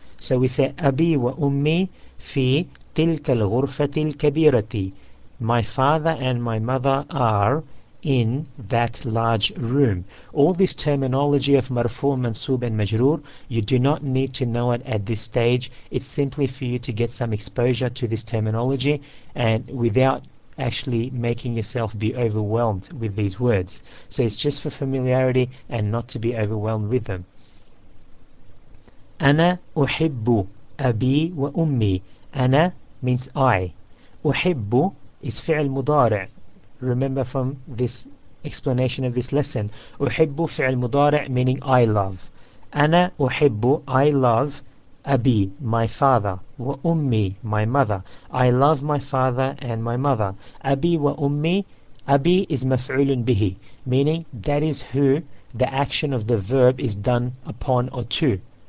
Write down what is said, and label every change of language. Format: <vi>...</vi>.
<en>So we say</en> <ar>أبي وأمي في تلك الغرفة الكبيرة.</ar> <en>My father and my mother are in that large room. All this terminology of مرفوع منصوب and مجرور, you do not need to know it at this stage. It's simply for you to get some exposure to this terminology and without actually making yourself be overwhelmed with these words. So it's just for familiarity and not to be overwhelmed with them.</en> <ar>أنا أحب أبي وأمي. أنا means I. أحب is فعل مضارع.</ar> <en>Remember from this explanation of this lesson,</en> <ar>أحب فعل مضارع</ar> <en>meaning I love. أنا أحب, I love أبي, my father, وأمي, my mother. I love my father and my mother.</en> <ar>أبي وأمي,</ar> <en>أبي is مفعول به, meaning that is who the action of the verb is done upon or to.</en>